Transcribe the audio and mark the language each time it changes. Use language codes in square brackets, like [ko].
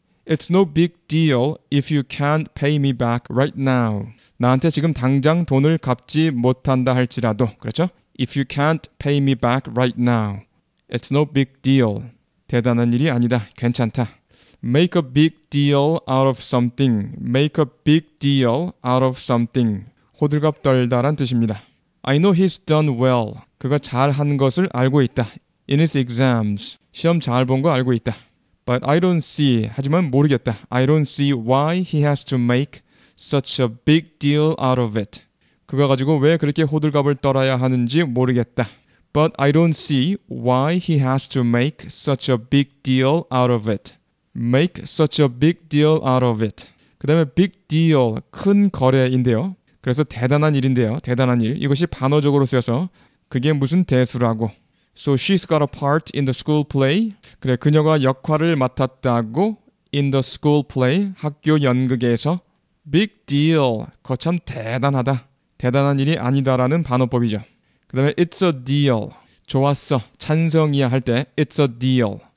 [en] It's no big deal if you can't pay me back right now. [ko] 나한테 지금 당장 돈을 갚지 못한다 할지라도. 그렇죠? [en] If you can't pay me back right now. It's no big deal. [ko] 대단한 일이 아니다. 괜찮다. [en] Make a big deal out of something. Make a big deal out of something. [ko] 호들갑 떨다란 뜻입니다. [en] I know he's done well. [ko] 그가 잘한 것을 알고 있다. [en] In his exams. [ko] 시험 잘 본 거 알고 있다. [en] But I don't see. [ko] 하지만 모르겠다. [en] I don't see why he has to make such a big deal out of it. [ko] 그가 가지고 왜 그렇게 호들갑을 떨어야 하는지 모르겠다. [en] But I don't see why he has to make such a big deal out of it. Make such a big deal out of it. [ko] 그 다음에 [en] big deal, [ko] 큰 거래인데요. 그래서 대단한 일인데요. 대단한 일. 이것이 반어적으로 쓰여서 그게 무슨 대수라고. [en] So she's got a part in the school play. [ko] 그래, 그녀가 역할을 맡았다고. [en] In the school play, [ko] 학교 연극에서. [en] Big deal, [ko] 거참 대단하다. 대단한 일이 아니다라는 반어법이죠. 그 다음에 [en] it's a deal. [ko] 좋았어, 찬성이야 할 때 it's a deal.